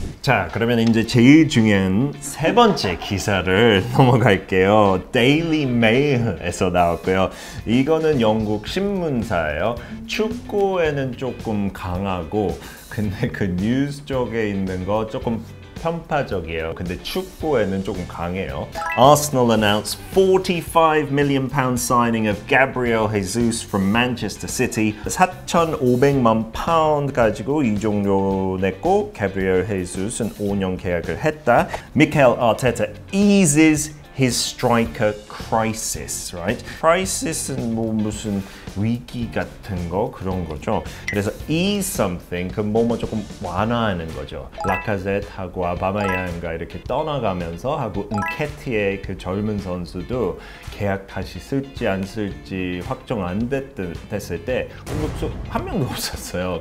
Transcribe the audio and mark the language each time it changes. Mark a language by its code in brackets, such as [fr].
[ko] 자, 그러면 이제 제일 중요한 세 번째 기사를 넘어갈게요. Daily Mail에서 나왔고요. 이거는 영국 신문사예요. 축구에는 조금 강하고 근데 그 뉴스 쪽에 있는 거 조금 편파적이에요. 근데 축구에는 조금 강해요. [en] Arsenal announced £45 million signing of Gabriel Jesus from Manchester City. [ko] 4,500만 파운드 가지고 이적료 냈고 Gabriel Jesus은 5년 계약을 했다. [en] Mikel Arteta eases his striker crisis, right? [ko] Crisis은 뭐 무슨 위기 같은 거 그런 거죠. 그래서 [en] ease something [ko] 그 뭐뭐 조금 완화하는 거죠. 라카제트하고 아바마양과 이렇게 떠나가면서 하고 은케티의 그 젊은 선수도 계약 다시 쓸지 안 쓸지 확정 안 됐을 때 한 명도 없었어요.